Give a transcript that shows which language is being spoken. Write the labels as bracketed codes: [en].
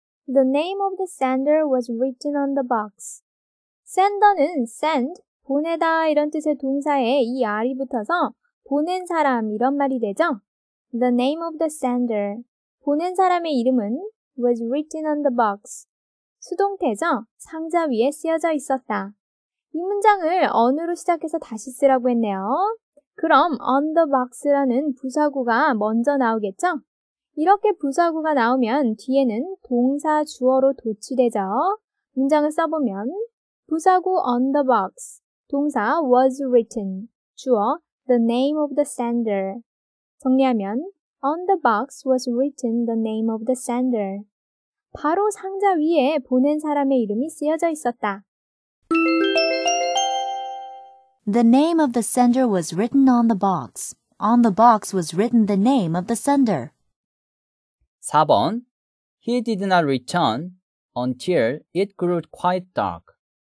[en] The name of the sender was written on the box. [ko] Sender는 send, 보내다 이런 뜻의 동사에 이 R이 붙어서 보낸 사람 이런 말이 되죠. [en] The name of the sender, [ko] 보낸 사람의 이름은 [en] was written on the box. [ko] 수동태죠? 상자 위에 쓰여져 있었다. 이 문장을 on으로 시작해서 다시 쓰라고 했네요. 그럼 [en] on the box [ko] 라는 부사구가 먼저 나오겠죠? 이렇게 부사구가 나오면 뒤에는 동사 주어로 도치되죠. 문장을 써보면 부사구 [en] on the box, 동사 was written, 주어 the name of the sender. [ko] 정리하면 [en] on the box was written the name of the sender. [ko] 바로 상자 위에 보낸 사람의 이름이 쓰여져 있었다. [en] The name of the sender was written on the box. On the box was written the name of the sender. [ko] 4번. [en] He did not return until it grew quite dark.